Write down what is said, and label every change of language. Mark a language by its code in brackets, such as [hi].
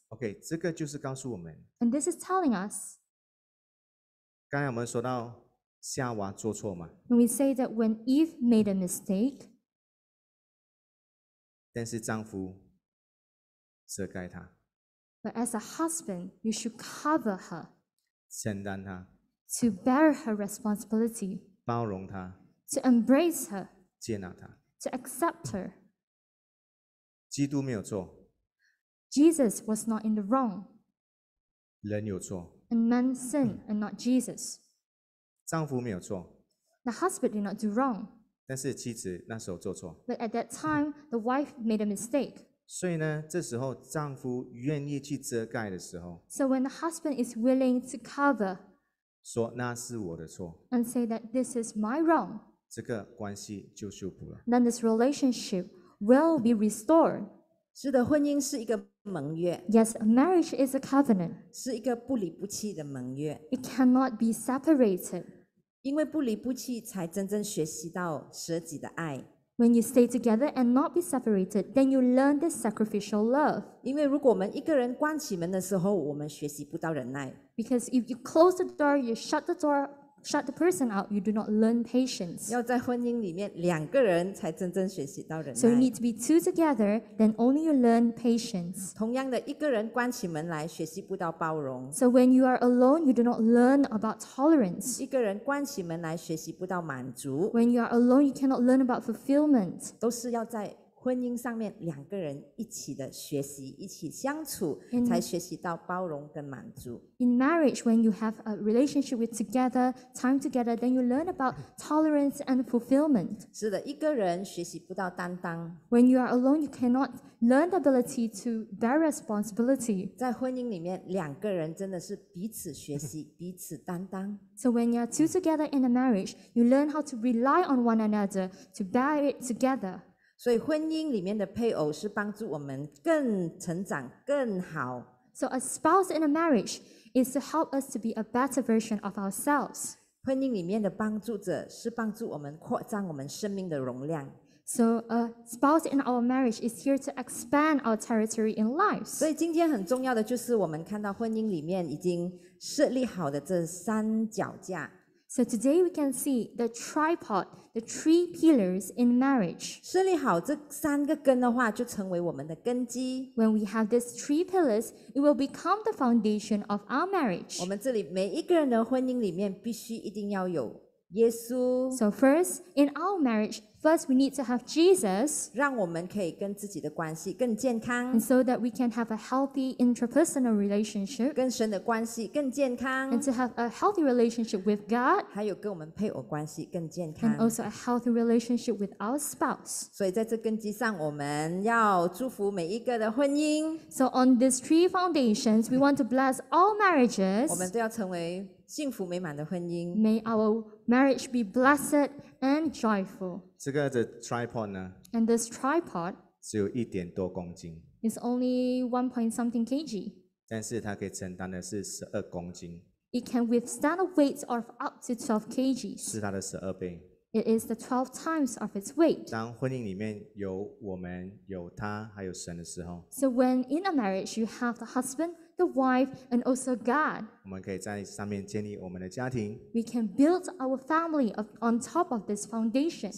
[zh] OK, 这个就是告诉我们。 [en] And this is telling us. [zh] 刚才我们说到夏娃做错嘛。 [en] When we say that when Eve made a mistake, [zh] 但是丈夫遮盖她。 [en] But as a husband, you should cover her. [zh] 承担她。 [en] To bear her responsibility. [zh] 包容她。 [en] To embrace her. [zh] 接纳她。 [en] To accept her. [zh] 基督没有错。 [en] Jesus was not in the wrong. [zh] 人有错。 [en] And men sin and not Jesus. [zh] 丈夫没有错。 [en] The husband did not do wrong. [zh] 但是妻子那时候做错。 [en] But at that time, the wife made a mistake. [zh] 所以呢，这时候丈夫愿意去遮盖的时候。 [en] So when the husband is willing to cover. [zh] 说那是我的错。 [en] And say that this is my wrong. [zh] 这个关系就修补了。 [en] Then this relationship will be restored. [zh] 是的，婚姻是一个盟约。 [en] Yes, marriage is a covenant. [zh] 是一个不离不弃的盟约。 [en] It cannot be separated. [zh] 因为不离不弃，才真正学习到舍己的爱。 [en] When you stay together and not be separated, then you learn this sacrificial love. [zh] 因为如果我们一个人关起门的时候，我们学习不到忍耐。 [en] Because if you close the door, you shut the door, shut the person out, you do not learn patience. [zh] 要在婚姻里面，两个人才真正学习到忍耐。 [en] So you need to be two together, then only you learn patience. [zh] 同样的，一个人关起门来，学习不到包容。 [en] So when you are alone, you do not learn about tolerance. [zh] 一个人关起门来，学习不到满足。 [en] When you are alone, you cannot learn about fulfillment. [zh] 都是要在婚姻上面两个人一起的学习，一起相处，才学习到包容跟满足。 [en] In marriage, when you have a relationship with together, time together, then you learn about tolerance and fulfillment. [zh] 是的，一个人学习不到担当。 [en] When you are alone, you cannot learn the ability to bear responsibility. [zh] 在婚姻里面，两个人真的是彼此学习，彼此担当。 [en] So when you are two together in a marriage, you learn how to rely on one another to bear it together. [zh] 所以婚姻里面的配偶是帮助我们更成长更好。 [en] So a spouse in a marriage is to help us to be a better version of ourselves. [zh] 婚姻里面的帮助者是帮助我们扩张我们生命的容量。 [en] So a spouse in our marriage is here to expand our territory in life. [zh] 所以今天很重要的就是我们看到婚姻里面已经设立好的这三脚架。 [en] So today we can see the tripod, the three pillars in marriage. [zh] 设立好这三个根的话，就成为我们的根基。 [en] When we have these three pillars, it will become the foundation of our marriage. [zh] 我们这里每一个人的婚姻里面必须一定要有耶稣。 [en] So first, in our marriage, first we need to have Jesus. [zh] 让我们可以跟自己的关系更健康。 [en] And so that we can have a healthy interpersonal relationship. [zh] 跟神的关系更健康。 [en] And to have a healthy relationship with God. [zh] 还有跟我们配偶关系更健康。 [en] And also a healthy relationship with our spouse. [zh] 所以在这根基上，我们要祝福每一个的婚姻。 [en] So on these three foundations, we want to bless all marriages. [zh] 我们都要成为幸福美满的婚姻。 [en] May our marriage be blessed and joyful. [zh] 这个的 tripod 呢？ [en] And this tripod [zh] 只有一点多公斤。 [en] It's only 1 point something kg. [zh] 但是它可以承担的是12公斤。 [en] It can withstand a weight of up to 12 kgs. [zh] 是它的12倍。 [en] It is the 12 times of its weight. [zh] 当婚姻里面有我们、有他、还有神的时候 [en] ，So when in a marriage you have the husband. The wife and also God. [zh] 我们可以在上面建立我们的家庭。 [en] We can build our family on top of this foundation.